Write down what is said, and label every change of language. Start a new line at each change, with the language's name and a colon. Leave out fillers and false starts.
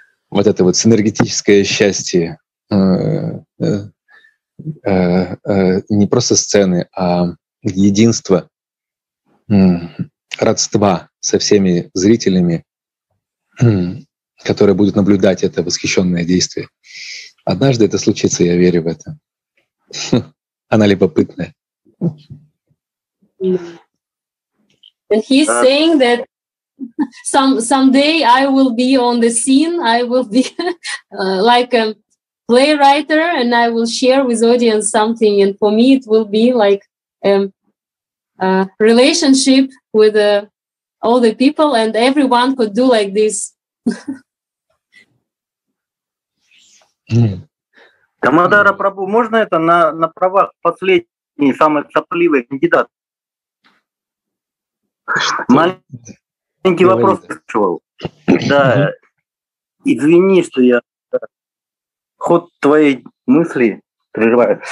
Russian: Вот это вот синергетическое счастье не просто сцены, а единство, родства со всеми зрителями, которые будут наблюдать это восхищенное действие. Однажды это случится, я верю в это. Она любопытная.
English: And he's saying that someday I will be on the scene, I will be like a playwright, and I will share with audience something, and for me it will be like a relationship with all the people, and everyone could do like this.
Russian: Дамодара Прабху, можно это на правах последний, самый сопливый кандидат? Что? Маленький Говори вопрос спрашивал. Да, извини, что я ход твоей мысли прерываю.